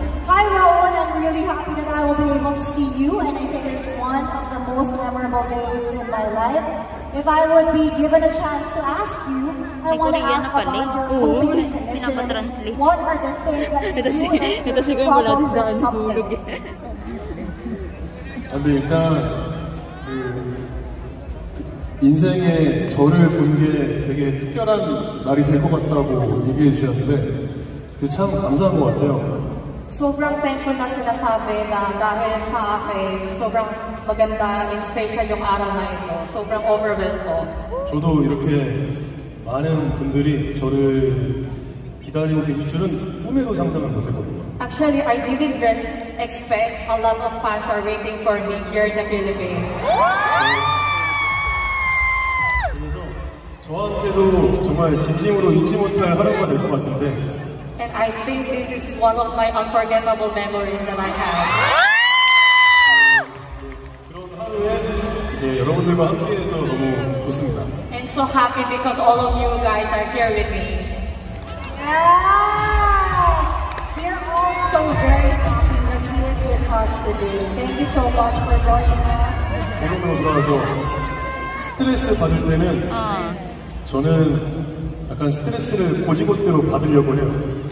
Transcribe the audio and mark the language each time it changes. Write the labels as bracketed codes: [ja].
[en] Hi Rowan, I'm really happy that I will be able to see you and I think it's one of the most memorable days in my life. If I would be given a chance to ask you, I want to ask about your coping mechanism. What are the things that you do when you're troubled with something? [ko] Ande, 일단 인생에 저를 본 게 되게 특별한 날이 될 것 같다고 얘기해 주셨는데 그 참 감사한 것 같아요. [tl] 소브랑 thankful na sinasabi na dahil sa akin, sobrang maganda and special yung araw na ito. Sobrang overwhelmed ko. [ko] 저도 이렇게 많은 분들이 저를 기다리고 계실 줄은 꿈에도 상상을 못했거든요. [en] Actually, I didn't expect a lot of fans are waiting for me here in the Philippines. [ko] 그래서 저한테도 정말 진심으로 잊지 못할 하루가 될 것 같은데 [en] And I think this is one of my unforgettable memories that I have. [ko] 그런 하루에 이제 여러분들과 함께해서 너무 좋습니다. [en] And so happy because all of you guys are here with me. Yes! We're all so very happy that he is with us today. Thank you so much for joining us. [ko] 여러분들 와서 스트레스 받을 때는 저는 약간 스트레스를 고지곳대로 받으려고 해요.